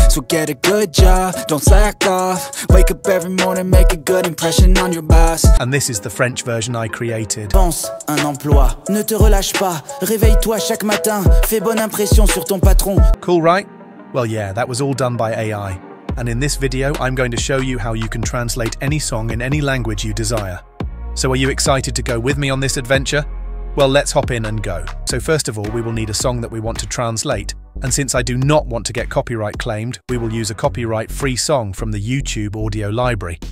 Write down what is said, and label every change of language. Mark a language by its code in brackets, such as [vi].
[en] So get a good job, don't slack off. Wake up every morning, make a good impression on your boss. And this is the French version I created. [fr] Pense un emploi, ne te relâche pas. Réveille-toi chaque matin, fais bonne impression sur ton patron. [en] Cool, right? Well, yeah, that was all done by AI. And in this video, I'm going to show you how you can translate any song in any language you desire. So are you excited to go with me on this adventure? Well, let's hop in and go. So first of all, we will need a song that we want to translate. And since I do not want to get copyright claimed, we will use a copyright-free song from the YouTube audio library.